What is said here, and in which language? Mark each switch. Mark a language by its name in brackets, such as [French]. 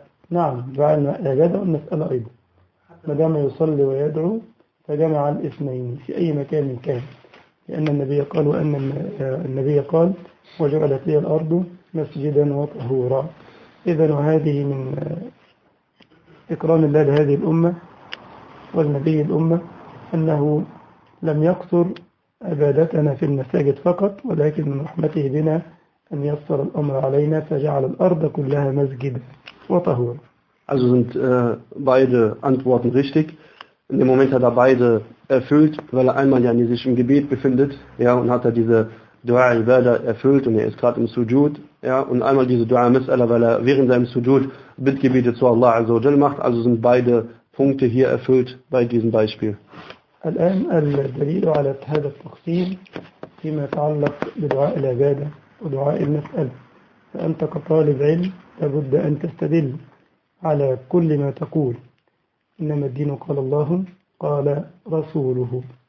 [Arabic] نعم دعاء العبادة والمسألة أيضا ما دام يصلي ويدعو فجمع الاثنين في أي مكان كان لأن النبي قال وأن النبي قال وجعلت لي الأرض مسجدا وطهورا إذا هذه من إكرام الله لهذه الأمة والنبي الأمة أنه لم يقصر عبادتنا في المساجد فقط ولكن من رحمته بنا أن يسر الأمر علينا فجعل الأرض كلها مسجد وطهور. [German] Also sind beide Antworten richtig. In dem Moment hat er beide erfüllt, weil er einmal ja sich im Gebet befindet, ja, und hat er diese Dua al-Bada erfüllt und er ist gerade im Sujud, ja, und einmal diese Dua Mas'ala, weil er während seinem Sujud Bittgebete zu Allah Azza wa Jal macht. Also sind beide Punkte hier erfüllt bei diesem Beispiel. [Arabic] الآن الدليل على هذا التقسيم فيما يتعلق بدعاء العبادة ودعاء المسألة. فأنت كطالب علم لابد أن تستدل على كل ما تقول. إنما الدين قال الله قال رسوله.